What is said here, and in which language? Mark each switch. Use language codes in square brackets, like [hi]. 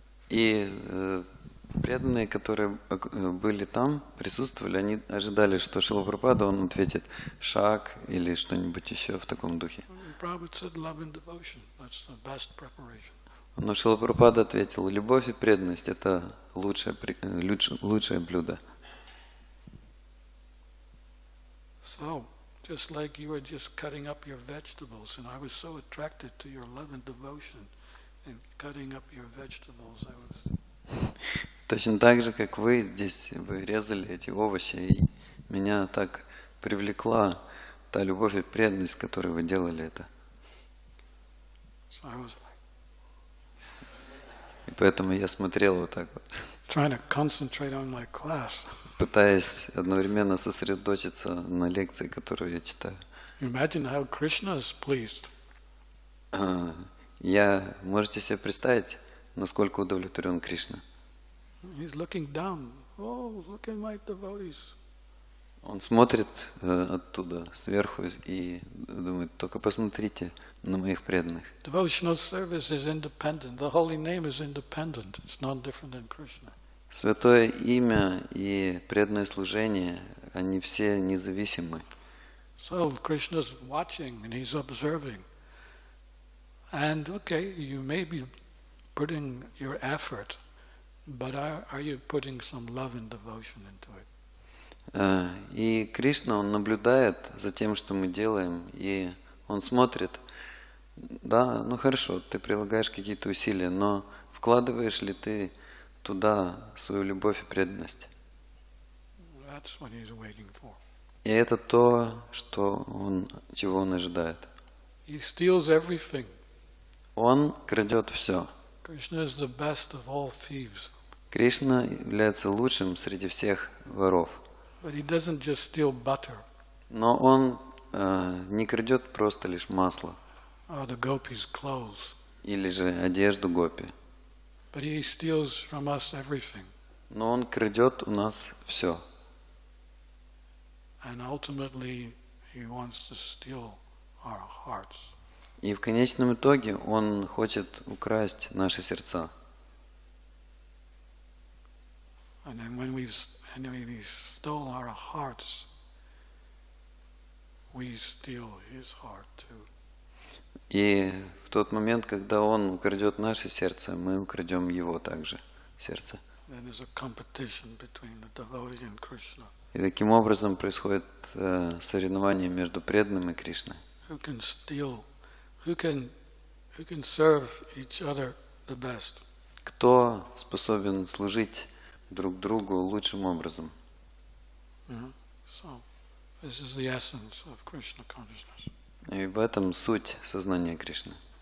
[ru] И преданные, которые были там, присутствовали, они ожидали, что Шрила Прабхупада, он ответит шак или что-нибудь еще в таком духе. [en] Prabhupada said, "Love and devotion. That's the best preparation." [ru] Но Шрила Прабхупада ответил: "Любовь и преданность — это лучшее блюдо." [en] So, just like you were just cutting up your vegetables, and I was so attracted to your love and devotion, in cutting up your vegetables, I was. [ru] Точно так же, как вы здесь, вы резали эти овощи, и меня так привлекла та любовь и преданность, которой вы делали это. [en] So I was like... [ru] И поэтому я смотрел вот так вот. [en] Trying to concentrate on my class. [ru] Пытаясь одновременно сосредоточиться на лекции, которую я читаю. [en] Imagine how Krishna is pleased. [ru] Я, можете себе представить, насколько удовлетворен Кришна? [en] He's looking down. Oh, look at my devotees. [ru] Он смотрит оттуда, сверху, и думает, только посмотрите на моих преданных. [en] Devotional service is independent. The holy name is independent. It's not different than Krishna. [ru] Святое имя и преданное служение, они все независимы. [en] So Krishna's watching and he's observing. And okay, you may be putting your effort, but are you putting some love and devotion into it? [ru] И Кришна, он наблюдает за тем, что мы делаем, и он смотрит. Да, ну хорошо, ты прилагаешь какие-то усилия, но вкладываешь ли ты туда свою любовь и преданность? [en] That's what he's waiting for. [ru] И это то, что он, чего он ожидает. [en] He steals everything. [ru] Он крадет все. [en] Krishna is the best of all thieves. [ru] Кришна является лучшим среди всех воров. [en] But he doesn't just steal butter. [ru] Но он не крадет просто лишь масло. [en] Or the gopis' clothes. [ru] Или же одежду гопи. [en] But he steals from us everything. [ru] Но он крадет у нас все. [en] And ultimately he wants to steal our hearts. [ru] И в конечном итоге он хочет украсть наши сердца. [en] And then when we stole our hearts, we steal his heart too. [ru] И в тот момент, когда он украдет наше сердце, мы украдем его также сердце. [en] Then there's a competition between the devotee and Krishna. [ru] И таким образом происходит соревнование между преданным и Кришной. [en] Who can steal? Who can serve each other the best? [ru] Кто способен служить друг другу лучшим образом? [en] So this is the essence of Krishna consciousness. [ru] И в этом суть сознания Кришны.